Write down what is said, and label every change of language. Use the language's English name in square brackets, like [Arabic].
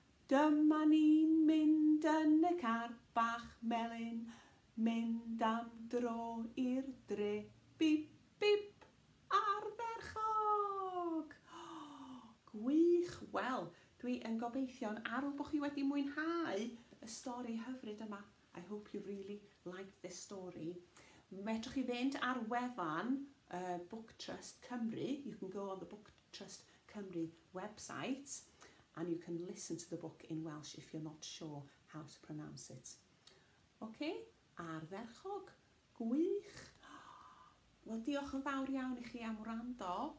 [Welsh] Dyma ni mynd yn y car bach melyn. Mynd am dro i'r dre, bip, bip, ar ferchog. Gwych, wel, dwi yn gobeithio'n arw bod chi wedi mwynhau y stori hyfryd yma. [English] I hope you really like this story. [Welsh] Medrwch chi fynd ar wefan Book Trust Cymru. [English] You can go on the Book Trust Cymru website and you can listen to the book in Welsh if you're not sure how to pronounce it. [Welsh] Okay? Ardderchog. Gwych. Wel, diolch yn fawr iawn I chi am wrando.